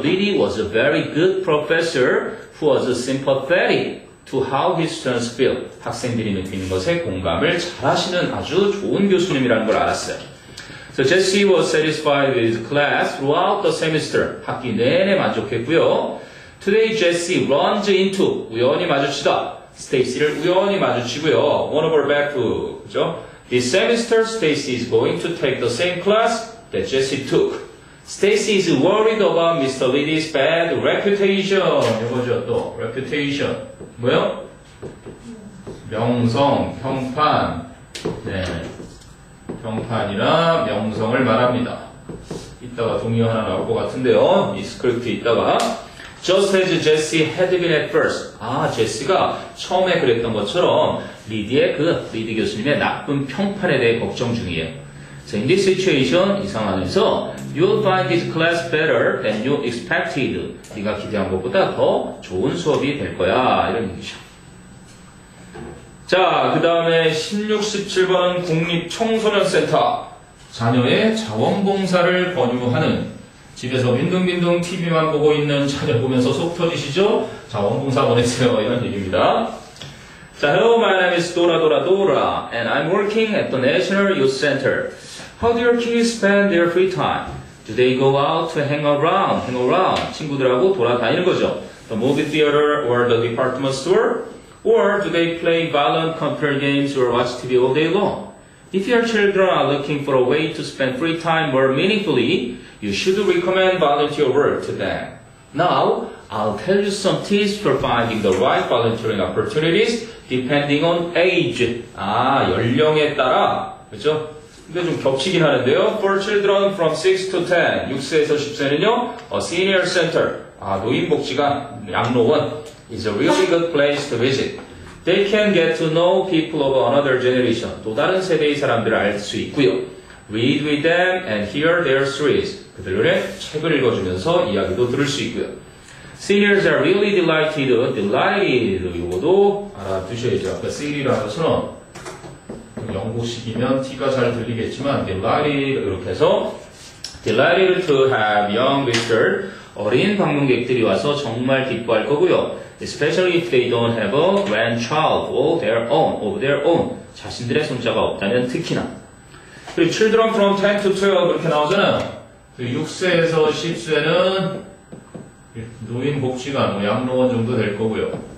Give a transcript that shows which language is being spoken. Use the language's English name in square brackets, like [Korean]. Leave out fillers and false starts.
[English] Liddy was a very good professor who was sympathetic to how his students feel. [Korean] 학생들이 느끼는 것에 공감을 잘하시는 아주 좋은 교수님이라는 걸 알았어요. [English] So Jesse was satisfied with his class throughout the semester. [Korean] 학기 내내 만족했고요. [English] Today Jesse runs into [Korean] 우연히 마주치다. Stacy를 우연히 마주치고요. [English] One of her back to [Korean] 그죠? [English] This semester Stacy is going to take the same class that Jesse took. Stacy is worried about Mr. Liddy's bad reputation. [Korean] 이거죠 또 reputation 뭐요? 명성, 평판. 네. 평판이나 명성을 말합니다. 이따가 동의어 하나 나올 것 같은데요. 이 스크립트 이따가 [English] Just as Jesse had been at first. [Korean] 아, 제시가 처음에 그랬던 것처럼 리디의 그 리디 교수님의 나쁜 평판에 대해 걱정 중이에요. [English] So in this situation, [Korean] 이 상황에서 [English] You'll find his class better than you expected. [Korean] 네가 기대한 것보다 더 좋은 수업이 될 거야. 이런 얘기죠. 자, 그 다음에 16, 17번 국립청소년센터 자녀의 자원봉사를 권유하는 집에서 빈둥빈둥 TV만 보고 있는 자녀 보면서 속 터지시죠? 자원봉사 보내세요. 이런 얘기입니다. [English] 자, Hello, my name is Dora Dora Dora and I'm working at the National Youth Center. How do your kids spend their free time? Do they go out to hang around? [Korean] 친구들하고 돌아다니는 거죠. [English] The movie theater or the department store? Or do they play violent computer games or watch TV all day long? If your children are looking for a way to spend free time more meaningfully, you should recommend volunteer work to them. Now, I'll tell you some tips for finding the right volunteering opportunities depending on age. [Korean] 아, 연령에 따라, 그렇죠? 근데 좀 겹치긴 하는데요. [English] For children from 6 to 10, [Korean] 6세에서 10세는요, [English] a senior center, [Korean] 아, 노인복지관, 양로원, [English] is a really good place to visit. They can get to know people of another generation. [Korean] 또 다른 세대의 사람들을 알 수 있고요. [English] Read with them and hear their stories. [Korean] 그들의 책을 읽어주면서 이야기도 들을 수 있고요. [English] Seniors are really delighted. Delighted. [Korean] 이것도 알아두셔야죠. 아까 C라는 것처럼 영국식이면 T가 잘 들리겠지만 delighted 이렇게 해서 [English] delighted to have young visitors. [Korean] 어린 방문객들이 와서 정말 기뻐할 거고요. [English] Especially if they don't have a grandchild of their own. [Korean] 자신들의 손자가 없다면 특히나. 그리고 [English] children from 10 to 12 [Korean] 이렇게 나오잖아요. 6세에서 10세는 노인복지관, 뭐 양로원 정도 될 거고요.